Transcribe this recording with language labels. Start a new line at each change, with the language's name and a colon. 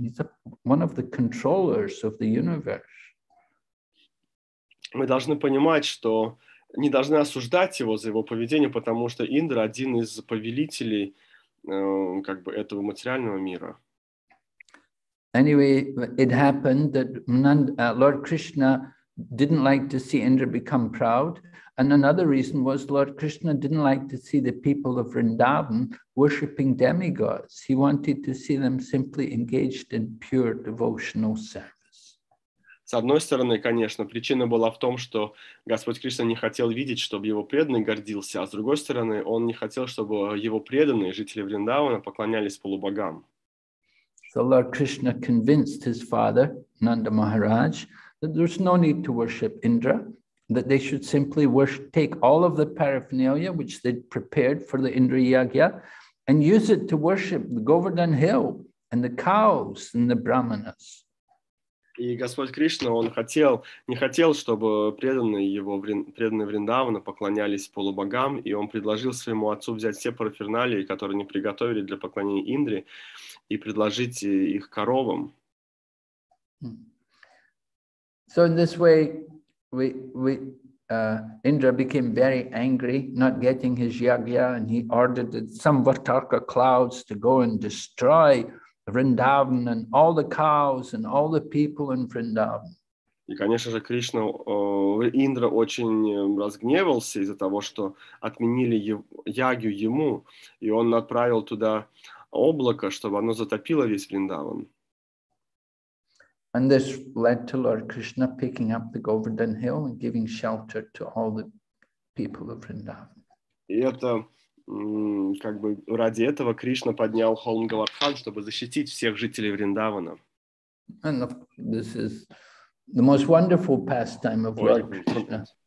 English: He's one of the controllers of the universe.
Russian: Мы должны понимать, что не должны осуждать его за его поведение, потому что Индра один из повелителей как бы этого материального мира.
English: Anyway, it happened that Lord Krishna didn't like to see Indra become proud, and another reason was Lord Krishna didn't like to see the people of Vrindavan worshipping demigods. He wanted to see them simply engaged in pure devotional service.
Russian: С одной стороны, конечно, причина была в том, что Господь Кришна не хотел видеть, чтобы его преданный гордился, а с другой стороны, он не хотел, чтобы его преданные, жители Вриндавана, поклонялись полубогам.
English: So Lord Krishna convinced his father, Nanda Maharaj, that there's no need to worship Indra, that they should simply take all of the paraphernalia, which they'd prepared for the Indra Yagya, and use it to worship the Govardhan Hill and the cows and the brahmanas.
Russian: И Господь Кришна, он не хотел, чтобы преданные Вриндавана поклонялись полубогам, и он предложил своему отцу взять все параферналии, которые они приготовили для поклонения Индре, и предложить их коровам.
English: So in this way, we Indra became very angry, not getting his yagya, and he ordered some Vartaka clouds to go and destroy Vrindavan and all the cows and all the people in Vrindavan.
Russian: И, конечно же, Кришна, Индра очень разгневался из-за того, что отменили ягью ему, и он отправил туда облако, чтобы оно затопило весь Вриндаван.
English: And this led to Lord Krishna picking up the Govardhan hill and giving shelter to all the people of Vrindavan.
Russian: И это, как бы, ради этого Кришна поднял холм Говардхан, чтобы защитить всех жителей Вриндавана.
English: And this is the most wonderful pastime of Lord Krishna.